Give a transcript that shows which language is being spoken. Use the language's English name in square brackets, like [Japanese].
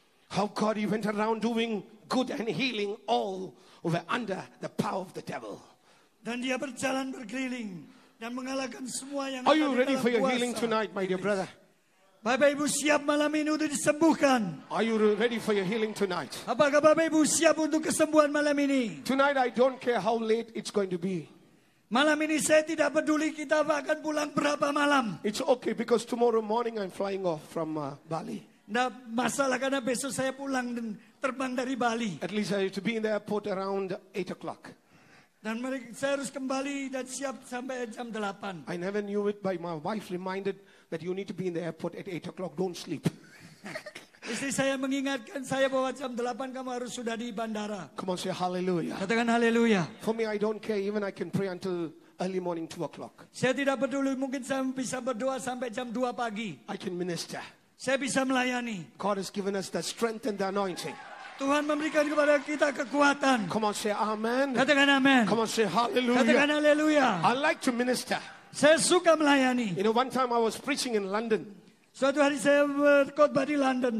[English] How God he went around doing good and healing all who were under the power of the devil. [Indonesian] Dan dia berjalan berkeliling dan mengalahkan semua yang. [English] Are you ready for your healing tonight, my dear brother? [Indonesian] Bapak Ibu siap malam ini untuk disembuhkan? [English] Are you ready for your healing tonight? [Indonesian] Apakah Bapak Ibu siap untuk kesembuhan malam ini? [English] Tonight I don't care how late it's going to be. [Indonesian] Malam ini saya tidak peduli kita akan pulang berapa malam. [English] It's okay because tomorrow morning I'm flying off from Bali. [Indonesian] Nah, masalah karena besok saya pulang dan terbang dari Bali. [English] At least I have to be in the airport around 8 o'clock. [Indonesian] Dan mereka, saya harus kembali dan siap sampai jam 8. [English] I never knew it, but my wife reminded that you need to be in the airport at 8 o'clock. Don't sleep. [Indonesian] Istri saya mengingatkan saya bahwa jam 8 kamu harus sudah di bandara. [English] Come on, say hallelujah. [Indonesian] Katakan hallelujah. [English] For me, I don't care. Even I can pray until early morning, 2 o'clock. [Indonesian] Saya tidak peduli. Mungkin saya bisa berdoa sampai jam 2 pagi. [English] I can minister. [Indonesian] Saya bisa melayani. [English] God has given us the strength and the anointing. [Indonesian] Tuhan memberikan kepada kita kekuatan. [English] Come on, say amen. [Indonesian] Katakan amen. [English] Come on, say hallelujah. [Indonesian] Katakan hallelujah. [English] I like to minister. [Indonesian] Saya suka melayani. [English] You know, one time I was preaching in London. [Indonesian] Suatu hari saya berkhotbah di London.